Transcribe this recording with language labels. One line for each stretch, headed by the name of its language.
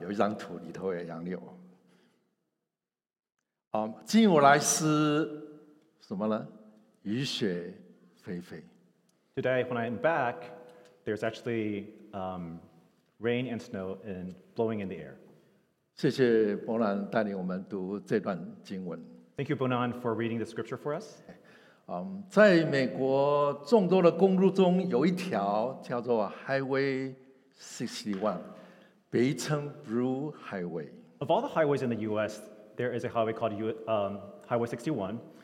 Chinese: 我说杨柳，因为等一下有一张图里头有杨柳。今我来时，什么呢？雨雪霏霏。
English: Today when I'm back, there's actually rain and snow and blowing in the air.
Chinese: 谢谢伯南带领我们读这段经文。
English: Thank you, Bonan, for reading the scripture for us.
Chinese: 在美国众多的公路中有一条叫做 Highway 61, 北称 Blue Highway.
English: Of all the highways in the U.S., there is a highway called Highway 61.